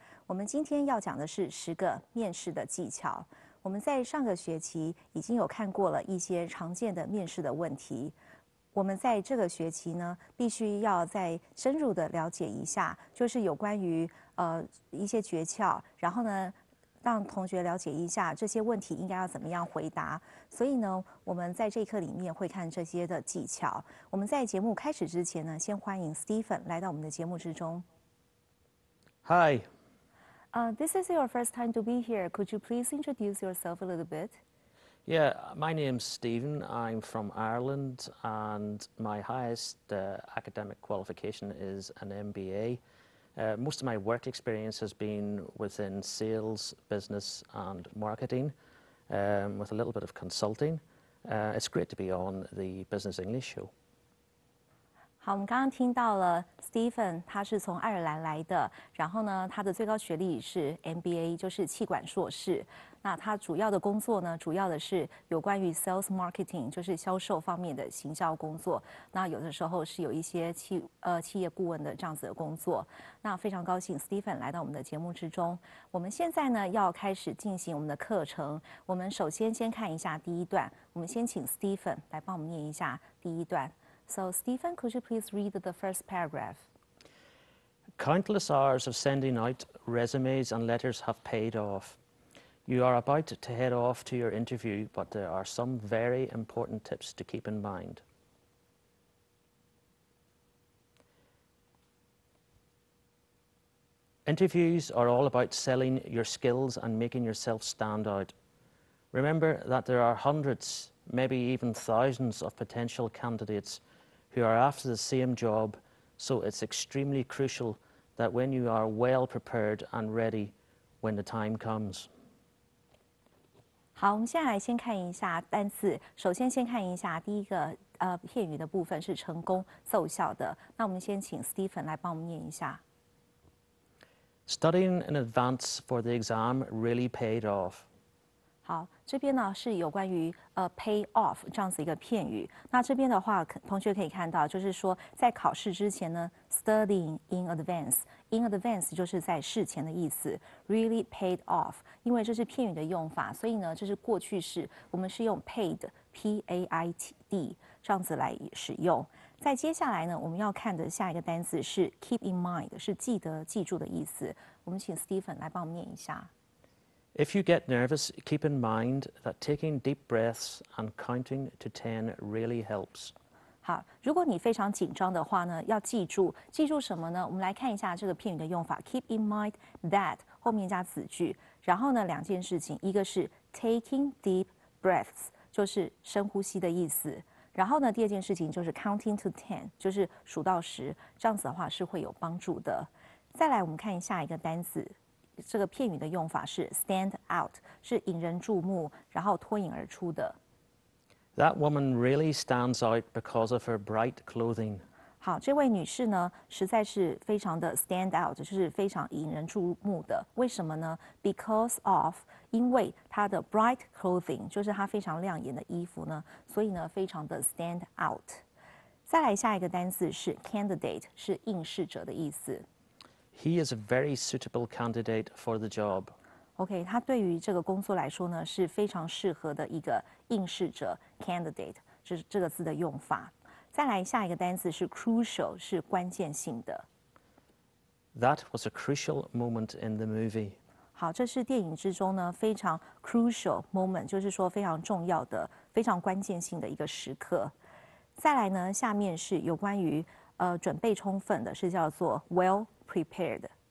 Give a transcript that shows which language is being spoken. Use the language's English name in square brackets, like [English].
[Chinese] 我们今天要讲的是十个面试的技巧。我们在上个学期已经有看过了一些常见的面试的问题，我们在这个学期呢必须要再深入的了解一下，就是有关于一些诀窍，然后呢让同学了解一下这些问题应该要怎么样回答。所以呢我们在这一课里面会看这些的技巧。我们在节目开始之前呢，先欢迎 Stephen 来到我们的节目之中。 [English] Hi、 This is your first time to be here. Could you please introduce yourself a little bit? Yeah, my name's Stephen. I'm from Ireland and my highest academic qualification is an MBAMost of my work experience has been within sales, business and marketing, with a little bit of consulting. It's great to be on the Business English show. [Chinese] 好，我们刚刚听到了 Stephen， 他是从爱尔兰来的，然后呢，他的最高学历是 MBA， 就是气管硕士。那他主要的工作呢，主要的是有关于 sales marketing， 就是销售方面的行销工作。那有的时候是有一些企业顾问的这样子的工作。那非常高兴 Stephen 来到我们的节目之中。我们现在呢要开始进行我们的课程。我们首先先看一下第一段，我们先请 Stephen 来帮我们念一下第一段。 [English] So Stephen, could you please read the first paragraph? Countless hours of sending out resumes and letters have paid off. You are about to head off to your interview, but there are some very important tips to keep in mind. Interviews are all about selling your skills and making yourself stand out. Remember that there are hundreds, maybe even thousands of potential candidates who are after the same job, so it's extremely crucial that when you are well prepared and ready when the time comes. [Chinese] 好，我们先来先看一下单字。首先，先看一下第一个片语的部分是成功奏效的。那我们先请 Stephen 来帮我们念一下。 [English] Studying in advance for the exam really paid off. [Chinese] 好，这边呢是有关于pay off 这样子一个片语。那这边的话，同学可以看到，就是说在考试之前呢 ， [English] studying in advance。 In advance [Chinese] 就是在事前的意思 ， [English] really paid off， [Chinese] 因为这是片语的用法，所以呢，这是过去式，我们是用 paid，P-A-I-D 这样子来使用。在接下来呢，我们要看的下一个单词是 keep in mind， 是记得、记住的意思。我们请 Stephen 来帮我们念一下。 [English] If you get nervous, keep in mind that taking deep breaths and counting to 10 really helps. [Chinese] 好，如果你非常紧张的话呢，要记住，记住什么呢？我们来看一下这个片语的用法 ， [English] keep in mind that [Chinese] 后面加子句，然后呢，两件事情，一个是 [English] taking deep breaths， [Chinese] 就是深呼吸的意思，然后呢，第二件事情就是 [English] counting to ten， [Chinese] 就是数到十，这样子的话是会有帮助的。再来，我们看一下一个单词，这个片语的用法是 stand out， 是引人注目，然后脱颖而出的。 [English] That woman really stands out because of her bright clothing. [Chinese] 好，这位女士呢，实在是非常的 stand out， 就是非常引人注目的。为什么呢 ？ [English] Because of， [Chinese] 因为她的 [English] bright clothing， [Chinese] 就是她非常亮眼的衣服呢，所以呢，非常的 stand out。再来下一个单词是 candidate， 是应试者的意思。 [English] He is a very suitable candidate for the job. [Chinese] OK， 他对于这个工作来说呢，是非常适合的一个。应试者 candidate 是这个字的用法。再来下一个单词是 crucial， 是关键性的。 [English] That was a crucial moment in the movie。 [Chinese] 好，这是电影之中呢非常 [English] crucial moment， [Chinese] 就是说非常重要的、非常关键性的一个时刻。再来呢，下面是有关于准备充分的，是叫做 [English] well prepared。